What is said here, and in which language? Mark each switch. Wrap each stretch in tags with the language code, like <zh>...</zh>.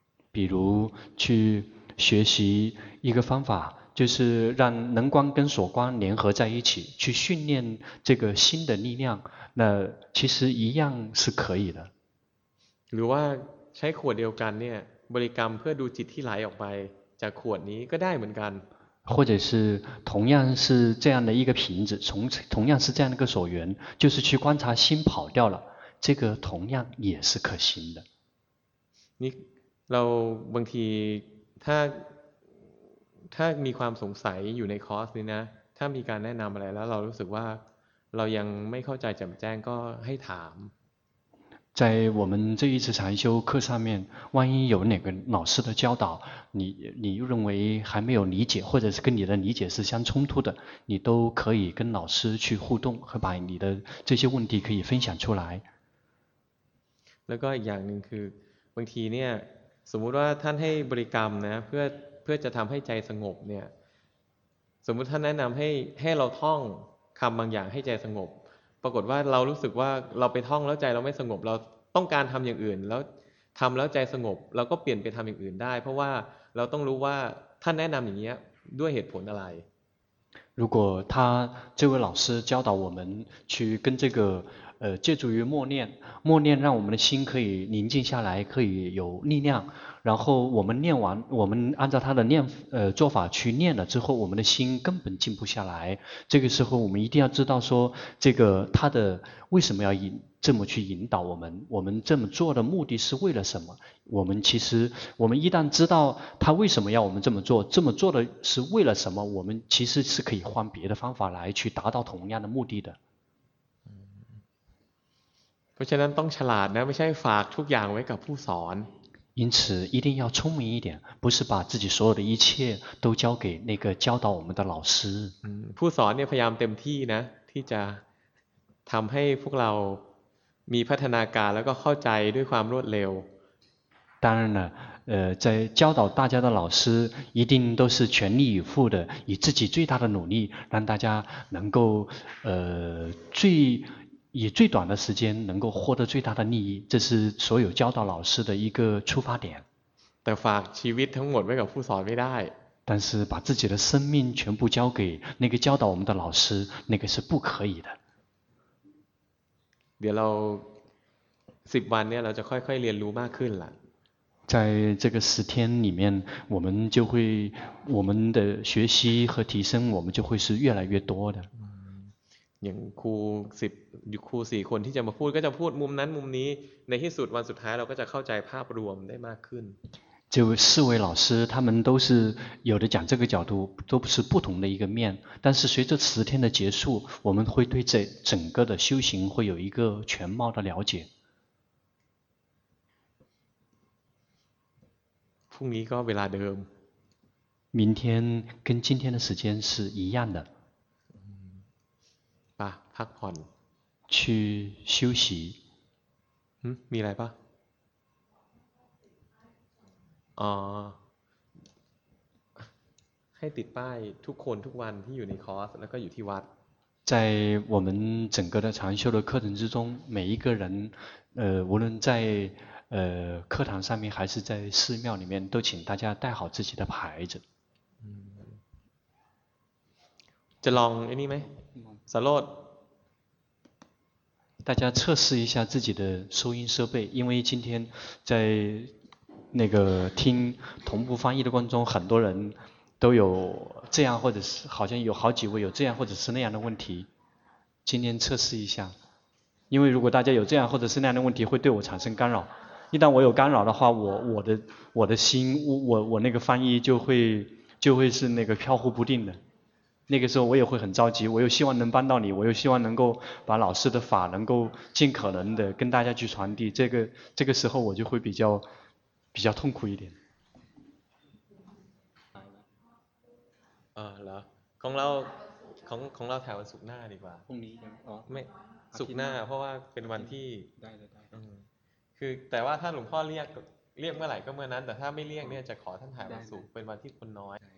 <zh>比如去学习一个方法就是让能观跟所观联合在一起去训练这个心的力量那其实一样是可以的</zh> <th>หรือว่าใช้ขวดเดียวกันเนี่ยบริกรรมเพื่อดูจิตที่ไหลออกไปจากขวดนี้ก็ได้เหมือนกัน</th> <zh>或者是同样是这样的一个瓶子同样是这样的一个所缘就是去观察心跑掉了这个同样也是可行的</zh> <th>你เราบางทีถ้ามีความสงสัยอยู่ในคอร์สนี้นะถ้ามีการแนะนำอะไรแล้วเรารู้สึกว่าเรายังไม่เข้าใจแจ่มแจ้งก็ให้ถาม</th> <zh>在我们这一次禅修课上面万一有哪个老师的教导你认为还没有理解或者是跟你的理解是相冲突的你都可以跟老师去互动和把你的这些问题可以分享出来</zh> <th>แล้วก็อีกอย่างนึงคือบางทีเนี่ยสมมุติว่าท่านให้บริกรรมนะเพื่อจะทำให้ใจสงบเนี่ยสมมุติท่านแนะนำให้เราท่องคำบางอย่างให้ใจสงบปรากฏว่าเรารู้สึกว่าเราไปท่องแล้วใจเราไม่สงบเราต้องการทำอย่างอื่นแล้วทำแล้วใจสงบเราก็เปลี่ยนไปทำอย่างอื่นได้เพราะว่าเราต้องรู้ว่าท่านแนะนำอย่างนี้ด้วยเหตุผลอะไร</th> <zh>如果他这位老师教导我们去跟这个借助于默念默念让我们的心可以宁静下来可以有力量然后我们念完我们按照他的念做法去念了之后我们的心根本静不下来这个时候我们一定要知道说这个他的为什么要这么去引导我们我们这么做的目的是为了什么我们一旦知道他为什么要我们这么做的是为了什么我们其实是可以换别的方法来去达到同样的目的的</zh> <th>เพราะฉะนั้นต้องฉลาดนะไม่ใช่ฝากทุกอย่างไว้กับผู้สอน</th> <zh>因此一定要聪明一点不是把自己所有的一切都交给那个教导我们的老师</zh> <th>ผู้สอนเนี่ยพยายามเต็มที่นะที่จะทำให้พวกเรา มีพัฒนาการแล้วก็เข้าใจด้วยความรวดเร็ว</th> <zh>当然了在教导大家的老师一定都是全力以赴的以自己最大的努力让大家能够最以最短的时间能够获得最大的利益这是所有教导老师的一个出发点</zh> <th>แต่ฝากชีวิตทั้งหมดไว้กับผู้สอนไม่ได้</th> <zh>但是把自己的生命全部交给那个教导我们的老师那个是不可以的</zh> <th>เดี๋ยวเราสิบวันเนี่ยเราจะค่อยๆเรียนรู้มากขึ้นล่ะ</th> <zh>在这个十天里面我们就会我们的学习和提升我们就会是越来越多的</zh> <th>อย่างครูสิบครูสี่คนที่จะมาพูดก็จะพูดมุมนั้นมุมนี้ในที่สุดวันสุดท้ายเราก็จะเข้าใจภาพรวมได้มากขึ้น</th> <zh>就四位老师他们都是有的讲这个角度都是不同的一个面但是随着十天的结束我们会对这整个的修行会有一个全貌的了解</zh> <th>พรุ่งนี้ก็เวลาเดิม</th> <zh>明天跟今天的时间是一样的</zh> <th>พักผ่อน</th> <zh>去休息</zh> <th>มีอะไรป่ะให้ติดป้ายทุกคนทุกวันที่อยู่ในคอร์สแล้วก็อยู่ที่วัด</th> <zh>在我们整个的禅修的课程之中每一个人无论在课堂上面还是在寺庙里面都请大家带好自己的牌子</zh> <th>จะลองไอ้นี่ไหมสโลด</th> <zh>大家测试一下自己的收音设备因为今天在那个听同步翻译的观众很多人都有这样或者是好像有好几位有这样或者是那样的问题今天测试一下因为如果大家有这样或者是那样的问题会对我产生干扰一旦我有干扰的话我的心我那个翻译就会是那个飘忽不定的那个时候我也会很着急我又希望能帮到你我又希望能够把老师的法能够尽可能的跟大家去传递这个时候我就会比较痛苦一点</zh> <th>啊啦ของเราของเราถ่ายวันศุกร์หน้าดีกว่า พรุ่งนี้ยัง อ๋อไม่ศุกร์หน้าเพราะว่าเป็นวันที่ได้ คือแต่ว่าถ้าหลวงพ่อเรียกเมื่อไหร่ก็เมื่อนั้นแต่ถ้าไม่เรียกเนี่ยจะขอท่านถ่ายวันศุกร์เป็นวันที่คนน้อย</th>